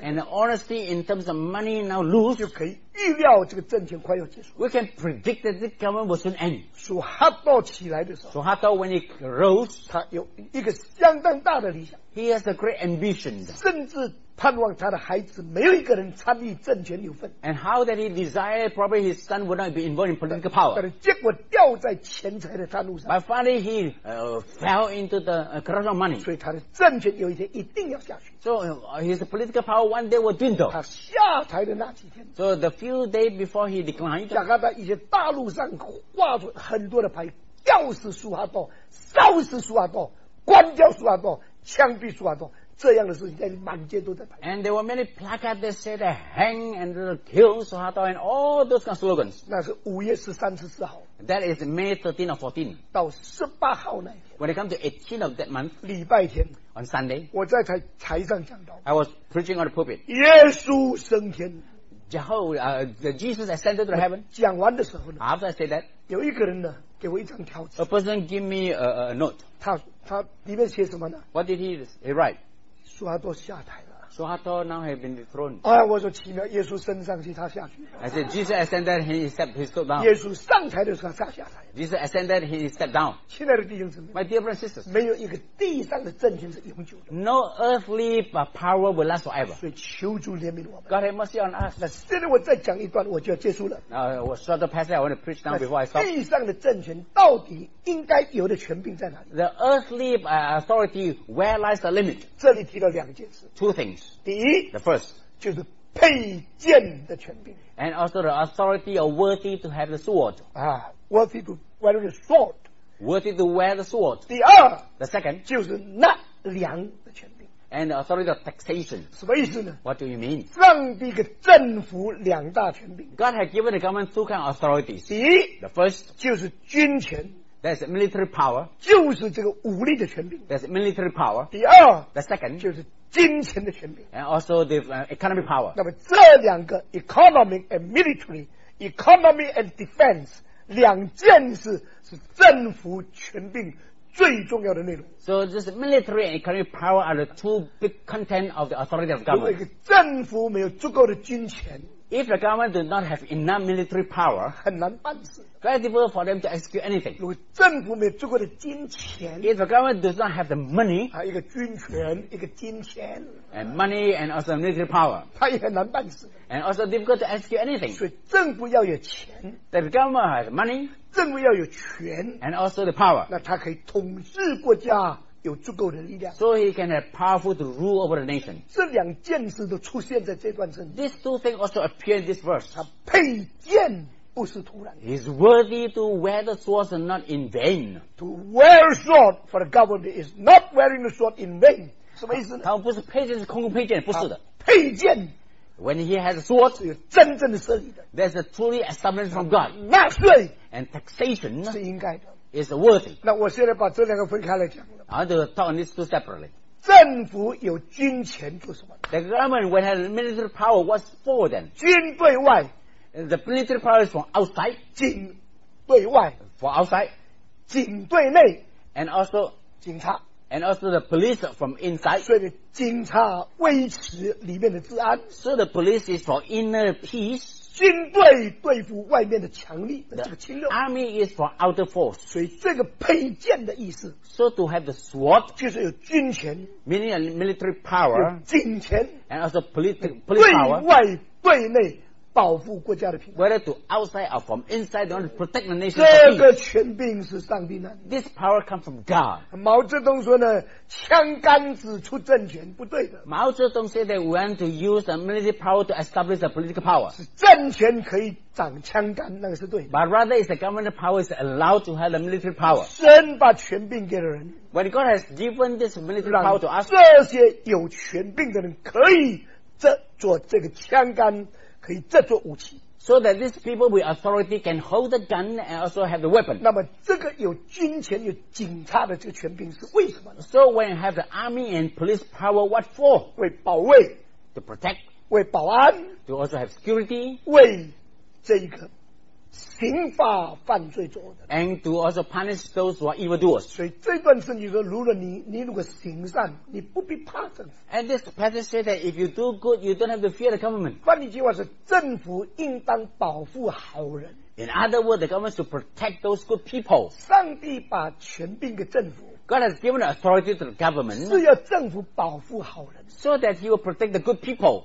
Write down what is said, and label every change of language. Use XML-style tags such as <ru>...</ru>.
<en>and the honesty in terms of money now loose,</en> <zh>就可以预料这个政权快要结束</zh> <en>we can predict that this government will soon end.</en> <zh>属哈道起来</zh> <en>So Hato, when he rose,</en> <zh>他有一个相当大的理想</zh> <en>he has a great ambition.</en> <zh>甚至盼望他的孩子没有一个人参与政权有份</zh> <en>And how that he desired, probably his son would not be involved in political power.</en> <zh>但是结果掉在钱财的道路上</zh> <en>But finally he fell into the corruption of money.</en> <zh>所以他的政权有一天一定要下去</zh> <en>So his political power one day will dwindle.</en> <zh>他下台的那几天</zh> <en>So the few days before he declined,</en> <zh>加拿大一些大陆上挂出很多的牌吊死苏哈多，烧死苏哈多，关掉苏哈多，枪毙苏哈多，这样的事情在满街都在拍。</zh> <en>And there were many placards that said "Hang and kill Suharto" and all those kind of slogans.</en> <zh>那是五月十三、十四号。</zh> <en>That is May 13 or 14.</en> <zh>到十八号那一天。</zh> <en>When it comes to 18 of that month,</en> <zh>礼拜天</zh> <en>on Sunday,</en> <zh>我在台上讲到。</zh> <en>I was preaching on the pulpit.</en> <zh>耶稣升天。</zh> <en>Jesus ascended to heaven.</en> <zh>讲完的时候呢</zh> <en>？After I say that,</en> <zh>有一个人呢。给我一张条子。</zh> <en>A person give me a note.</en> <zh>他里面写什么呢</zh> <en>？What did he write?</en> <zh>苏哈多下台了。</zh> <en>苏哈多 now have been dethroned.</en> <zh>哎，我说奇妙，耶稣升上去，他下去。</zh> <en>I said Jesus ascended, he stepped, he stood down.</en> <zh>耶稣上台的时候，他下台。</zh> <en>Jesus ascended, he stepped down.</en> <zh>亲爱的弟兄姊妹</zh> <en>，My dear brothers and sisters,</en> <zh>没有一个地上的政权是永久的。</zh> <en>No earthly power will last forever.</en> <zh>所以求主怜悯我们。</zh> <en>God have mercy on us.</en> <zh>那现在我再讲一段，我就要结束了。我</zh> <en>short the passage I want to preach now before I stop.</en> <zh>地上的政权到底应该有的权柄在哪里</zh> <en>？The earthly authority, where lies the limit?</en> <zh>这里提到两件事。</zh> <en>Two things.</en> <zh>第一</zh> <en>，The first</en> <zh>就是。佩剑的权柄</zh> <en>and also the authority of worthy to have the sword worthy to wear the sword worthy to wear the sword</en> <zh>第二</zh> <en>the second</en> <zh>就是纳粮的权柄</zh> <en>and the authority of taxation</en> <zh>什么意思呢</zh> <en>what do you mean</en> <zh>上帝给政府两大权柄</zh> <en>God has given the government two kinds of authorities</en> <zh>第一</zh> <en>the first</en> <zh>就是军权</zh> <en>that's military power</en> <zh>就是这个武力的权柄</zh> <en>that's military power</en> <zh>第二</zh> <en>the second</en> <zh>就是金钱的权柄</zh> <en>and also the economic power</en> <zh>那么这两个</zh> <en>economy and military economy and defense</en> <zh>两件事是政府权柄最重要的内容</zh> <en>so this military and economic power are the two big content of the authority of government</en> <zh>如果政府没有足够的金钱</zh> <en>if the government does not have enough military power</en> <zh>很难办事</zh> <en>very difficult for them to execute anything</en> <zh>如果政府没有足够的金钱</zh> <en>if the government does not have the money</en> <zh>还有一个军权一个金钱</zh> <en>and money and also military power</en> <zh>它也很难办事</zh> <en>and also difficult to execute anything</en> <zh>所以政府要有钱</zh> <en>that the government has money</en> <zh>政府要有权</zh> <en>and also the power</en> <zh>那它可以统治国家有足够的力量</zh> <en>so he can have powerful to rule over the nation</en> <zh>这两件事都出现在这段圣经</zh> <en>these two things also appear in this verse</en> <zh>他佩剑不是突然</zh> <en>he's worthy to wear the sword and not in vain to wear a sword for the government is not wearing the sword in vain</en> <zh>什么意思呢他不是佩剑是空空佩剑不是的佩剑</zh> <en>when he has a sword</en> <zh>是有真正的设立的</zh> <en>there's a truly established from God</en> <zh>纳税</zh> <en>and taxation</en> <zh>是应该的</zh> <en>Is worthy.</en> <zh>那我现在把这两个分开来讲了。</zh> <en>I want to talk on these two separately.</en> <zh>政府有军权做什么</zh> <en>？The government when has military power, what's for then?</en> <zh>军对外</zh> <en>，the military power is from outside.</en> <zh>警对外</zh> <en>，for outside.</en> <zh>警对内</zh> <en>，and also</en> <zh>警察</zh> <en>，and also the police from inside.</en> <zh>所以警察维持里面的治安。</zh> <en>So the police is for inner peace.</en> <zh>军队对付外面的强力的这个侵略。</zh> <en>The army is for outer force.</en> <zh>所以这个佩剑的意思。</zh> <en>So to have the sword.</en> <zh>就是有军权。</zh> <en>Meaning a military power.</en> <zh>有警权。</zh> <en>And also police power.</en> <zh>对外对内保护国家的平衡。</zh> <en>Whether to outside or from inside, they want to protect the nation.</en> <zh>这个权柄是上帝的。</zh> <en>This power comes from God.</en> <zh>毛泽东说呢，枪杆子出政权不对的。</zh> <en>毛泽东 said that we want to use the military power to establish the political power.</en> <zh>是政权可以长枪杆，那个是对的。</zh> <en>But rather, is the government power is allowed to have the military power.</en> <zh>神把权柄给了人。</zh> <en>When God has given this military power to us,</en> <zh>这些有权柄的人可以做这个枪杆。可以制作武器</zh> <en>So that these people with authority can hold the gun and also have the weapon.</en> <zh>那么这个有军权有警察的这个权柄是为什么呢？</zh> <en>So when you have the army and police power, what for?</en> <zh>为保卫。</zh> <en>To protect.</en> <zh>为保安。</zh> <en>To also have security.</en> <zh>为这个刑法犯罪做的。</zh> <en>And to also punish those who are evildoers.</en> <zh>所以这段圣经说，如果你如果行善，你不必怕政府。</zh> <en>And this passage says that if you do good, you don't have to fear the government.</en> <zh>换一句话是，政府应当保护好人。</zh> <en>In other words, the government should protect those good people.</en> <zh>上帝把权柄给政府。</zh> <en>God has given authority to the government.</en> <zh>是要政府保护好人。</zh> <en>So that he will protect the good people.</en>